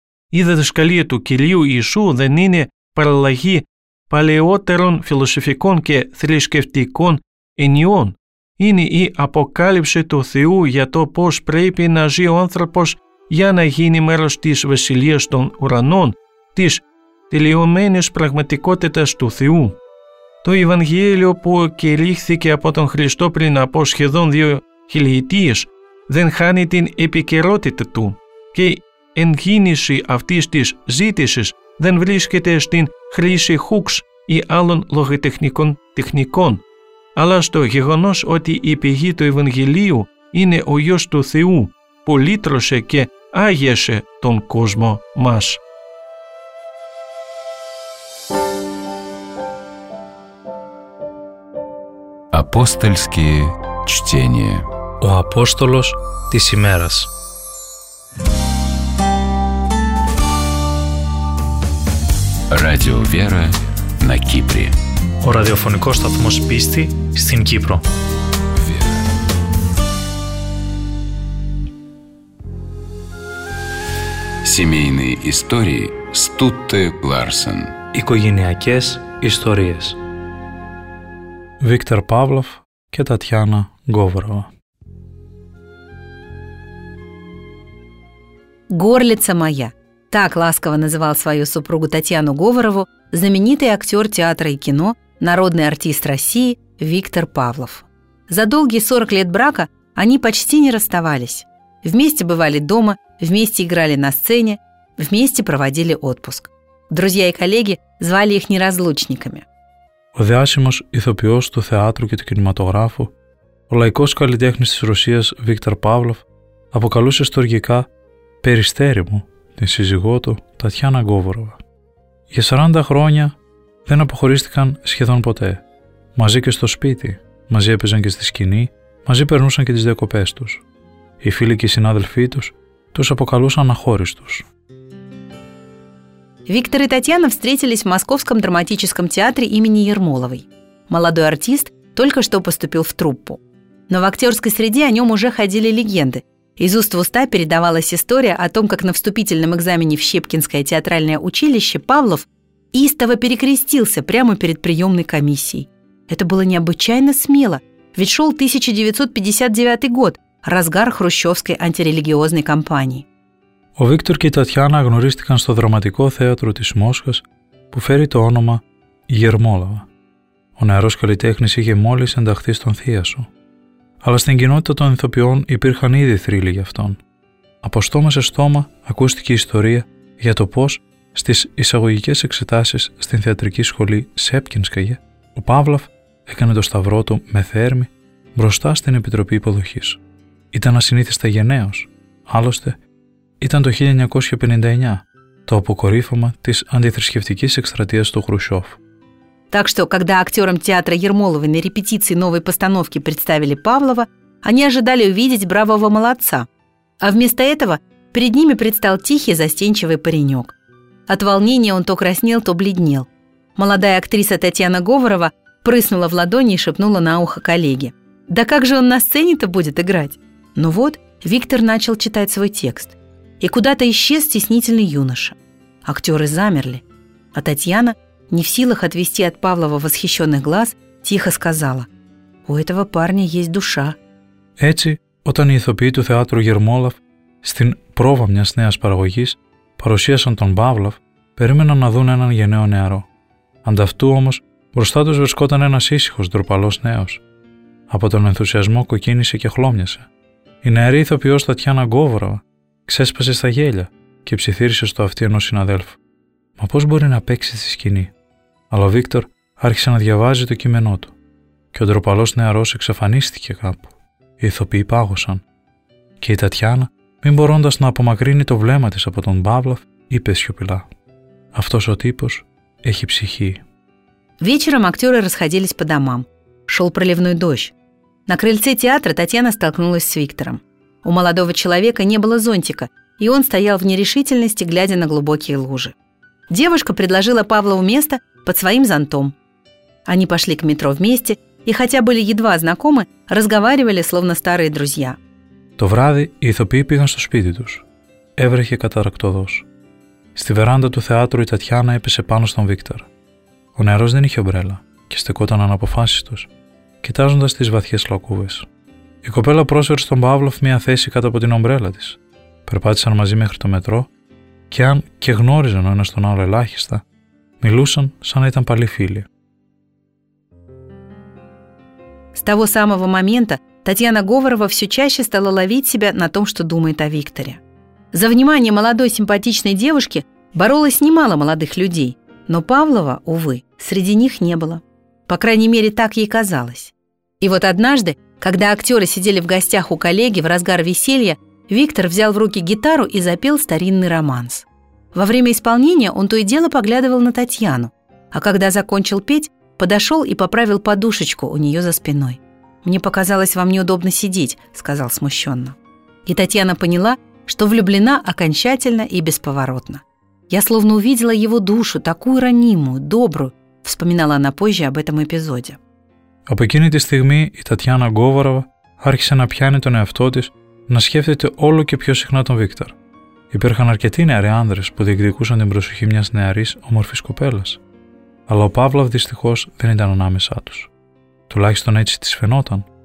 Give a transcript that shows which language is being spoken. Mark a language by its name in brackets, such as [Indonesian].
[Greek] И дадашкалиету Кирию Иешу дэн ныне паралаги палеотерон философикон ке трешкевтикон энион, ини и апокалипши ту Θεού για то пош прейпи на жи онтропош για на гини мэрош тиш василиеш тон уранон, тиш телиоменеш прагматикотетас ту Θεού. Το Ευαγγέλιο που κηρύχθηκε από τον Χριστό πριν από σχεδόν δύο χιλιετίες δεν χάνει την επικαιρότητα του και εγκίνηση αυτής της ζήτησης δεν βρίσκεται στην χρήση χούκς ή άλλων λογοτεχνικών τεχνικών, αλλά στο γεγονός ότι η πηγή του Ευαγγελίου είναι ο Υιός του Θεού που λύτρωσε και άγιασε τον κόσμο μας. [Russian] Апостольские чтения. [Greek] О апостолос тис имерас. [Russian] Радио Вера на Кипре. [Greek] О радиофонико статмос писти стин Кипро. [Russian] Семейные истории Стутте Ларсен. [Greek] Οικογενειακές ιστορίες. [Russian] Виктор Павлов και Татьяна Говорова. «Горлица моя» – так ласково называл свою супругу Татьяну Говорову знаменитый актер театра и кино, народный артист России Виктор Павлов. За долгие 40 лет брака они почти не расставались. Вместе бывали дома, вместе играли на сцене, вместе проводили отпуск. Друзья и коллеги звали их неразлучниками. [Greek] Ο διάσημος ηθοποιός του θεάτρου και του κινηματογράφου, ο λαϊκός καλλιτέχνης της Ρωσίας Βίκτορ Παύλοφ, αποκαλούσε στοργικά «Περιστέρι μου» την σύζυγό του Τατιάνα Γκόβοροβα. Για 40 χρόνια δεν αποχωρίστηκαν σχεδόν ποτέ. Μαζί και στο σπίτι, μαζί έπαιζαν και στη σκηνή, μαζί περνούσαν και τις διακοπές τους. οι φίλοι και οι συνάδελφοί τους τους αποκαλούσαν αχώριστους. [Russian] Виктор и Татьяна встретились в Московском драматическом театре имени Ермоловой. Молодой артист только что поступил в труппу. Но в актерской среде о нем уже ходили легенды. Из уст в уста передавалась история о том, как на вступительном экзамене в Щепкинское театральное училище Павлов истово перекрестился прямо перед приемной комиссией. Это было необычайно смело, ведь шел 1959 год, разгар хрущевской антирелигиозной кампании. [Greek] Ο Βίκτορ και η Τατιάνα γνωρίστηκαν στο δραματικό θέατρο της Μόσχας που φέρει το όνομα Γερμόλαβα. Ο νεαρός καλλιτέχνης είχε μόλις ενταχθεί στον θίασο. Αλλά στην κοινότητα των ηθοποιών υπήρχαν ήδη θρύλοι για αυτόν. Από στόμα σε στόμα ακούστηκε η ιστορία για το πώς στις εισαγωγικές εξετάσεις στην θεατρική σχολή Σέπκινσκαγε ο Παύλαφ έκανε το σταυρό του με θέρμη μπροστά στην Επιτροπή Υποδοχής. Ήταν ασυνήθιστα γενναίος, άλλωστε. Ήταν το 1959, το αποκορύφωμα της αντιθρησκευτικής εκστρατείας του Χρουσιόφ. [Russian] Так что, когда актерам театра Ермоловой на репетиции новой постановки представили Павлова, они ожидали увидеть бравого молодца. А вместо этого перед ними предстал тихий, застенчивый паренек. От волнения он то краснел, то бледнел. Молодая актриса Татьяна Говорова прыснула в ладони и шепнула на ухо коллеге. «Да как же он на сцене-то будет играть?» Ну вот, Виктор начал читать свой текст. И куда-то исчез стеснительный юноша. Актеры замерли. А Татьяна, не в силах отвести от Павлова восхищенных глаз, тихо сказала: «У этого парня есть душа». [Greek] Έτσι, όταν οι ηθοποιοί του θεάτρου Γερμόλαβ στην πρόβα μιας νέας παραγωγής παρουσίασαν τον Παύλαφ, περίμεναν να δουν έναν γενναίο νεαρό. Ανταυτού όμως, μπροστά τους βρισκόταν ένας ήσυχος, ντροπαλός νέος. Από τον ενθουσιασμό κοκκίνησε και χλώμιασε. Η νεαρή ηθοποιός Τατιάνα Γκόβρα ξέσπασε στα γέλια και ψιθύρισε στο αυτί ενός συναδέλφου. Μα πώς μπορεί να παίξει στη σκηνή? Αλλά ο Βίκτορ άρχισε να διαβάζει το κείμενό του. Και ο ντροπαλός νεαρός εξαφανίστηκε κάπου. Οι ηθοποιοί πάγωσαν. Και η Τατιάνα, μην μπορώντας να απομακρύνει το βλέμμα της από τον Παύλαφ, είπε σιωπηλά: «Αυτός ο τύπος έχει ψυχή». [Russian] Вечером актеры расходились по домам. Шел проливной дождь. На крыльце театра Татьяна столкнулась с Виктором. У молодого человека не было зонтика, и он стоял в нерешительности, глядя на глубокие лужи. Девушка предложила Павлову место под своим зонтом. Они пошли к метро вместе, и хотя были едва знакомы, разговаривали, словно старые друзья. [Greek] То вράδυ οι ηθοποιοί πήγαν στο σπίτι τους. Έβρεχε καταρακτοδός. Στη βεράντα του θεάτρου η Τατιάνα έπεσε πάνω στον Βίκτορ. Ο νεαρός δεν είχε ομπρέλα και στεκόταν αναποφάσιστος, κοιτάζοντας τις βαθιές λακκούβες. Η κοπέλα πρόσφερε στον Παύλοφ μια θέση κάτω από την ομπρέλα της. Περπάτησαν μαζί μέχρι το μετρό και αν και γνώριζαν ο ένας τον άλλο ελάχιστα, μιλούσαν σαν να ήταν παλιοί φίλοι. [Russian] С того самого момента Татьяна Говорова все чаще стала ловить себя на том, что думает о Викторе. За внимание молодой симпатичной девушки боролось немало молодых людей, но Павлова, увы, среди них не было. По крайней мере, так ей казалось. И вот однажды, когда актеры сидели в гостях у коллеги в разгар веселья, Виктор взял в руки гитару и запел старинный романс. Во время исполнения он то и дело поглядывал на Татьяну, а когда закончил петь, подошел и поправил подушечку у нее за спиной. «Мне показалось, вам неудобно сидеть», — сказал смущенно. И Татьяна поняла, что влюблена окончательно и бесповоротно. «Я словно увидела его душу, такую ранимую, добрую», — вспоминала она позже об этом эпизоде. [Greek] Από εκείνη τη στιγμή η Τατιάνα Γκόβαροβα άρχισε να πιάνει τον εαυτό της να σκέφτεται όλο και πιο συχνά τον Βίκτορ. Υπήρχαν αρκετοί νεαροί άνδρες που διεκδικούσαν την προσοχή μιας νεαρής όμορφης κοπέλας. Αλλά ο Παύλαβ δυστυχώς δεν ήταν ανάμεσά τους. Τουλάχιστον έτσι της φαινόταν.